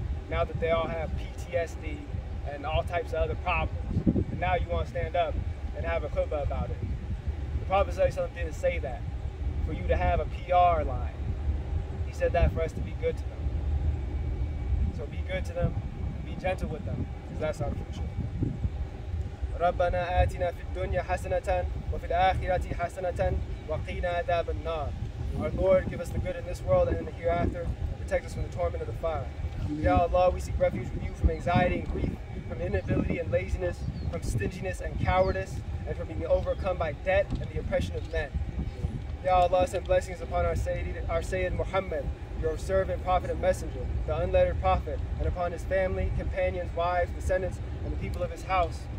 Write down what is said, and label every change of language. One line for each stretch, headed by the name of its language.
English: Now that they all have PTSD and all types of other problems, and now you want to stand up and have a khutbah about it. The Prophet ﷺ didn't say that for you to have a PR line. He said that for us to be good to them. So be good to them, be gentle with them, because that's our future.
Arabic: ربنا آتنا في الدنيا حسنة وفي الآخرة حسنة وقنا عذاب النار.
English: Our Lord, give us the good in this world and in the hereafter, and protect us from the torment of the fire. Ya Allah, we seek refuge with you from anxiety and grief, from inability and laziness, from stinginess and cowardice, and from being overcome by debt and the oppression of men. Ya Allah, send blessings upon our Sayyid Muhammad, your servant, prophet, and messenger, the unlettered prophet, and upon his family, companions, wives, descendants, and the people of his house.